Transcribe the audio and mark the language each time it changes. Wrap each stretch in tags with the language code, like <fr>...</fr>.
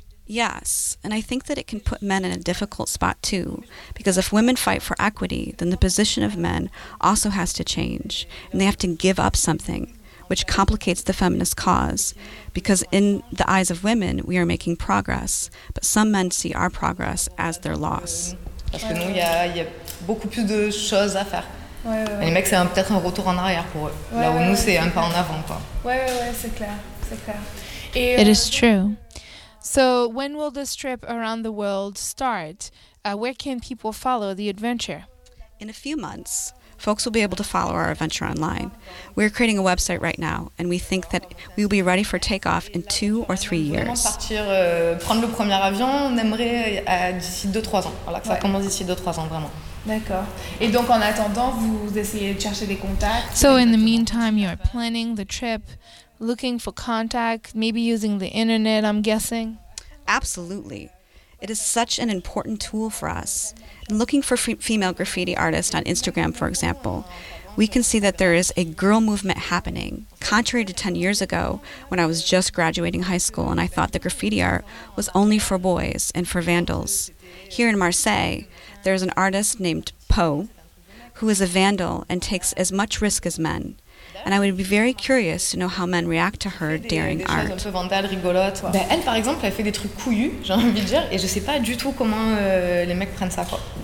<en>Yes, and I think that it can put men in a difficult spot too, because if women fight for equity, then the position of men also has to change, and they have to give up something, which complicates the feminist cause, because in the eyes of women, we are making progress, but some men see our progress as their loss.</en> <fr>Parce que nous, il y a beaucoup plus de choses à faire. Et les mecs, c'est peut-être un retour en arrière pour eux. Là où nous, c'est un pas en avant, quoi. Ouais, c'est clair.</fr> <en>It is true. So when will this trip around the world start? Where can people follow the adventure? In a few months, folks will be able to follow our adventure online. We're creating a website right now, and we think that we will be ready for takeoff in 2 or 3 years.</en> <fr>Partir, prendre le premier avion, on aimerait d'ici 2-3 ans. Voilà, que ça commence d'ici 2-3 ans, vraiment. D'accord. Et donc, en attendant, vous essayez de chercher des contacts.</fr> <en>So in the meantime, you are planning the trip. Looking for contact, maybe using the internet, I'm guessing? Absolutely. It is such an important tool for us. Looking for female graffiti artists on Instagram, for example, we can see that there is a girl movement happening, contrary to 10 years ago when I was just graduating high school and I thought the graffiti art was only for boys and for vandals. Here in Marseille, there is an artist named Poe who is a vandal and takes as much risk as men. And I would be very curious to know how men react to her daring</en> <fr>des</fr> <en>art.</en> <fr>Un peu vandale, rigolote. Ouais. Ben elle, par exemple, elle fait des trucs couillus, j'ai envie de dire, et je sais pas du tout comment les mecs prennent ça, quoi.</fr>